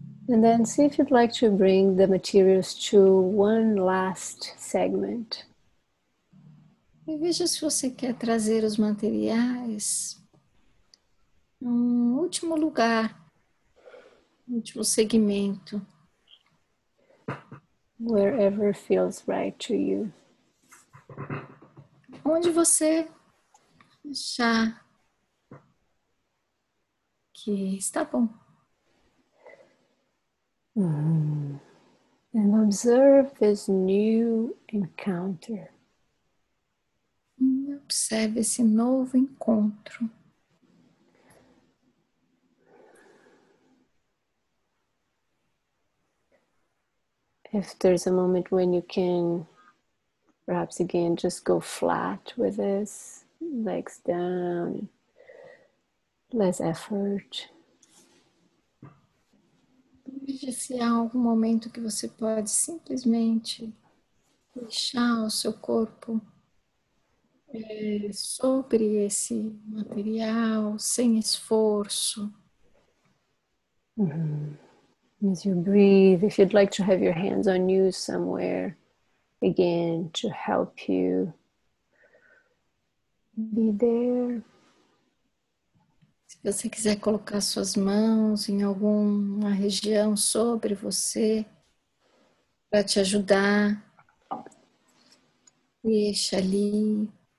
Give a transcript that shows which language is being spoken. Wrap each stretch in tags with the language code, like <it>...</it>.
<en>And then see if you'd like to bring the materials to one last segment.</en> <pt>E veja se você quer trazer os materiais num último lugar, no último segmento.</pt> <en>Wherever feels right to you.</en> <pt>Onde você achar que está bom.</pt> <en>And observe this new encounter.</en> <pt>Observe esse novo encontro.</pt> <en>If there's a moment when you can, perhaps again, just go flat with this, legs down, less effort.</en> <pt>Veja se há algum momento que você pode simplesmente deixar o seu corpo sobre esse material, sem esforço.</pt> <en>As you breathe, if you'd like to have your hands on you somewhere, again, to help you be there.</en> <pt>Se você quiser colocar suas mãos em alguma região sobre você, para te ajudar, deixa ali.</pt>